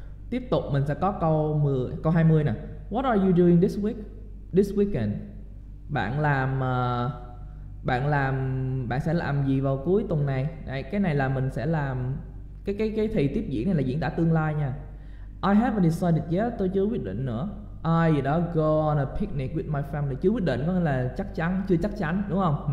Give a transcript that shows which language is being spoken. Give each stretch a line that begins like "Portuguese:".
Vietnamese: Tiếp tục mình sẽ có câu 20 nè.
English: What are you doing this week? This weekend.
Vietnamese: Bạn sẽ làm gì vào cuối tuần này? Đây, cái này là mình sẽ làm cái thì tiếp diễn này là diễn tả tương lai nha.
English: I haven't decided yet.
Vietnamese: Tôi chưa quyết định nữa.
English: I
Vietnamese: gì đó,
English: go on a picnic with my family.
Vietnamese: Chưa quyết định có nghĩa là chắc chắn, chưa chắc chắn, đúng không?